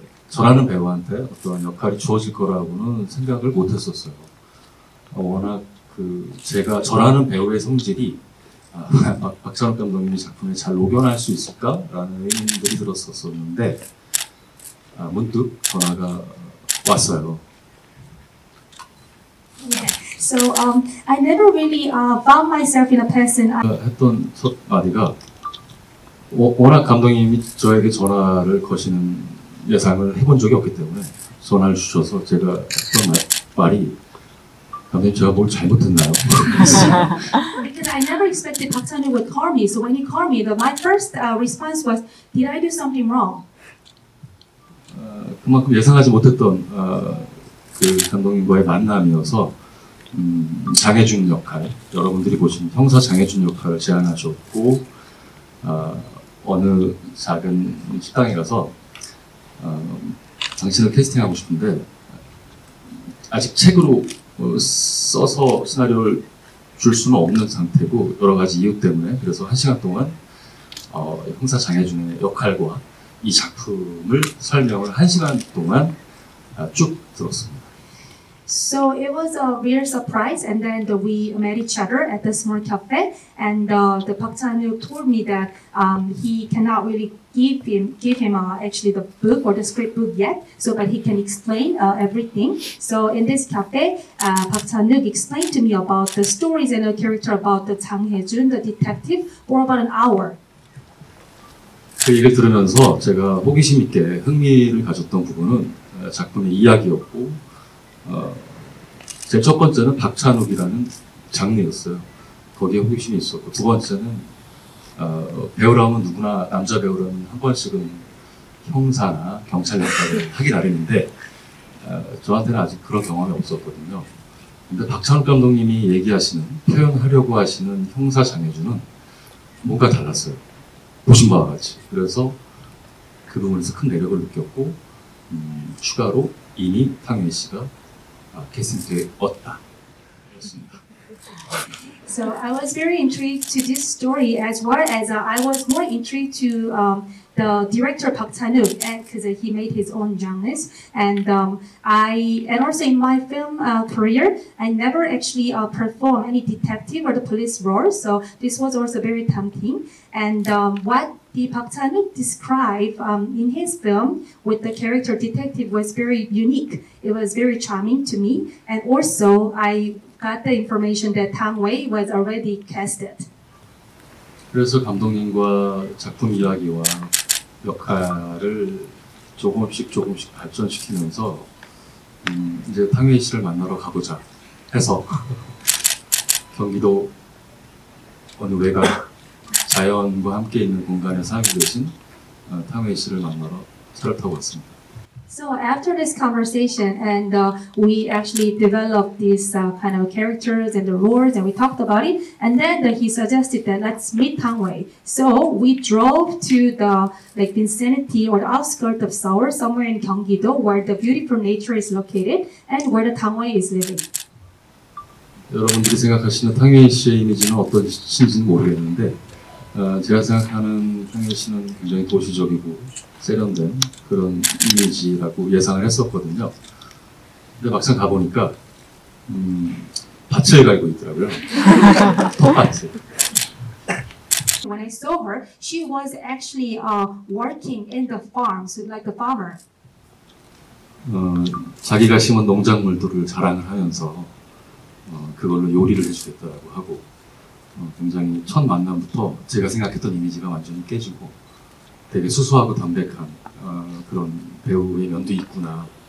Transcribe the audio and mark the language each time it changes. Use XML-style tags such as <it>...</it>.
<ko>저라는 배우한테 어떤 역할이 주어질 거라고는 생각을 못 했었어요. 워낙 저라는 배우의 성질이 박찬욱 감독님이 작품에 잘 녹여낼 수 있을까라는 의문들이 들었었는데, 문득 전화가 왔어요.</ko> <en>I never really found myself in a person.</en> <ko>했던 첫 마디가 워낙 감독님이 저에게 전화를 거시는 예상을 해본 적이 없기 때문에 전화를 주셔서 제가 했던 말이 감독님 제가 뭘 잘못했나요?</ko> <en>Because I never expected Park Chan-wook would call me. So when he called me, my first response was, did I do something wrong?</en> <ko>그만큼 예상하지 못했던 그 감독님과의 만남이어서 장혜준 역할, 여러분들이 보신 형사 장혜준 역할을 제안하셨고 어느 작은 식당에 가서 당신을 캐스팅하고 싶은데 아직 책으로 써서 시나리오를 줄 수는 없는 상태고 여러 가지 이유 때문에 그래서 한 시간 동안 형사 장혜준의 역할과 이 작품을 설명을 한 시간 동안 쭉 들었습니다. So it was a real surprise, and then we met each other at the small cafe, and the Park Chan-wook told me that he cannot really give him actually the book or the script book yet, so but he can explain everything. So in this cafe, Park Chan-wook explained to me about the stories and the character about the Jang Hye-jun, the detective, for about an hour. 그 얘기를 들으면서 제가 호기심 있게 흥미를 가졌던 부분은 작품의 이야기였고 제 첫 번째는 박찬욱이라는 장르였어요. 거기에 호기심이 있었고 두 번째는 배우라면 누구나 남자 배우라면 한 번씩은 형사나 경찰 역할을 하기 나름인데 저한테는 아직 그런 경험이 없었거든요. 근데 박찬욱 감독님이 얘기하시는 표현하려고 하시는 형사 장혜주는 뭔가 달랐어요. 보신 바와 같이. 그래서 그 부분에서 큰 매력을 느꼈고 추가로 이미 탕현 씨가 캐스팅되었다. 그렇습니다.</ko> <en>So I was very intrigued to this story as well as I was more intrigued to the director Park Chan-wook because he made his own genres and also in my film career I never actually performed any detective or the police role, so this was also very tempting. And what the Park Chan-wook described in his film with the character detective was very unique. It was very charming to me, and also I got the information that Tang Wei was already casted.</en> <ko>그래서 감독님과 작품 이야기와 역할을 조금씩 발전시키면서 이제 탕웨이 씨를 만나러 가보자 해서 경기도 어느 외곽 자연과 함께 있는 공간에서 하고 계신 탕웨이 씨를 만나러 차를 타고 왔습니다.</ko> <en>So after this conversation, and we actually developed these kind of characters and the roles, and we talked about it, and then he suggested that let's meet Tang Wei. So we drove to the like vicinity or the outskirts of Seoul, somewhere in Gyeonggi-do, where the beautiful nature is located, and where the Tang Wei is living.</en> <ko>여러분들이 생각하시는 탕웨이 씨의 이미지는 어떠신지는 모르겠는데 제가 생각하는 탕웨이 씨는 굉장히 도시적이고 세련된 그런 이미지라고 예상을 했었거든요. 근데 막상 가보니까 밭을 갈고 있더라고요. 텃밭을.</ko> <en>When I saw her, she was actually working in the farm, so like a farmer.</en> <ko>자기가 심은 농작물들을 자랑을 하면서 그걸로 요리를 해주겠다라고 하고 굉장히 첫 만남부터 제가 생각했던 이미지가 완전히 깨지고 되게 수수하고 담백한 그런 배우의 면도 있구나</ko>